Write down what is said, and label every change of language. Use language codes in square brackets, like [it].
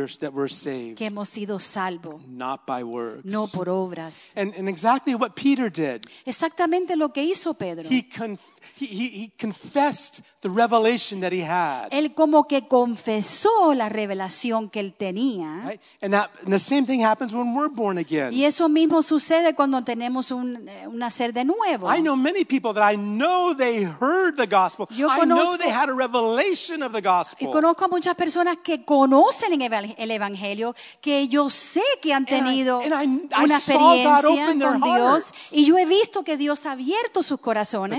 [en] That we're saved. [es] Que hemos sido salvos. [en] Not by works. [es] No por obras. [en] And exactly what Peter did. [es] Exactamente lo que hizo Pedro. [en] He confessed the revelation that he had. [es] Él como que confesó la revelación que él tenía. [en] Right? And the same thing happens when we're born again. [es] Y eso mismo sucede cuando tenemos un nacer de nuevo. [en] I know many people that I know they heard the gospel. [es] Conozco, [en] I know they had a revelation of the gospel. [es] Y conozco a muchas personas que conocen el evangelio, que yo sé que han tenido una experiencia con Dios. Y yo he visto que Dios ha abierto sus corazones.